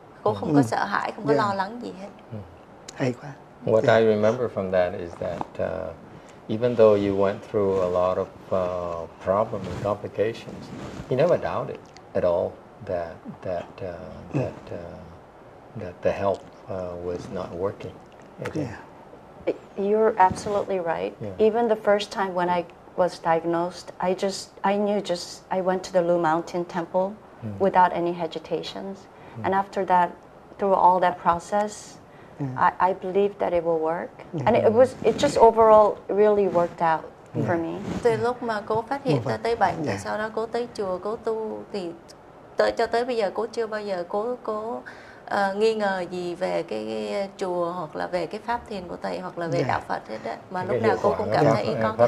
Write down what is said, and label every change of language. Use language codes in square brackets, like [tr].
[vi] Cô không có sợ hãi, không có lo lắng gì hết. Hay quá. [en] What I remember from that is that even though you went through a lot of problems and complications, you never doubted at all that the help was not working. Yeah. You're absolutely right. Yeah. Even the first time when I was diagnosed, I went to the Lu Mountain Temple without any hesitations. Mm. And after that, through all that process, I believe that it will work. Yeah. And it just overall really worked out. Yeah. For me. [vi] Từ lúc mà cô phát hiện ra tới bệnh, thì sau đó cô tới chùa, cô tu, thì cho tới bây giờ cô chưa bao giờ cô nghi ngờ gì về cái chùa hoặc là về cái pháp thiền của thầy hoặc là về đạo Phật hết đó. Mà lúc nào cô cũng cảm thấy con